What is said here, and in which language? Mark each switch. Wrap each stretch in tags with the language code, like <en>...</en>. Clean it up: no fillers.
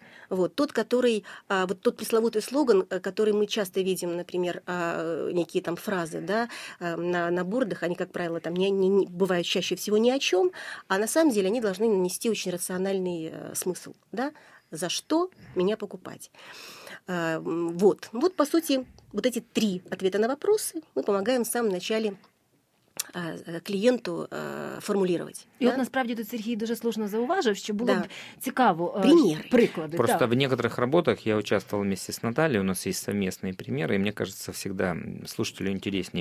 <ru>Вот тот, который, вот тот пресловутый слоган, который мы часто видим, например, некие там фразы, да, на бордах, они, как правило, там не бывают чаще всего ни о чем, а на самом деле они должны нанести очень рациональный смысл, да, за что меня покупать. Вот, по сути, вот эти три ответа на вопросы мы помогаем в самом начале</ru> <uk>клієнту формулювати. І от насправді тут Сергій дуже слушно зауважив, що було б цікаво приклади.</uk> <ru>Просто в некоторых работах я участвовал вместе с Натальей, у нас есть совместные примеры, и мне кажется, всегда слушателю интереснее.</ru>